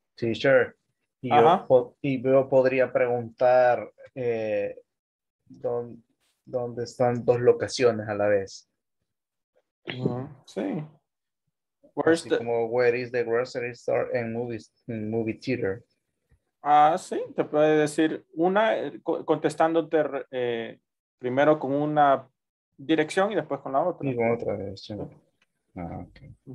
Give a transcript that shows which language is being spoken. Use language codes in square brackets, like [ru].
[es] Teacher, yo podría preguntar dónde están dos locaciones a la vez. Sí. [en] Where is the grocery store and movie theater? [es] Ah, sí, te puede decir una contestándote primero con una dirección y después con la otra. Y con otra dirección. Ah, okay.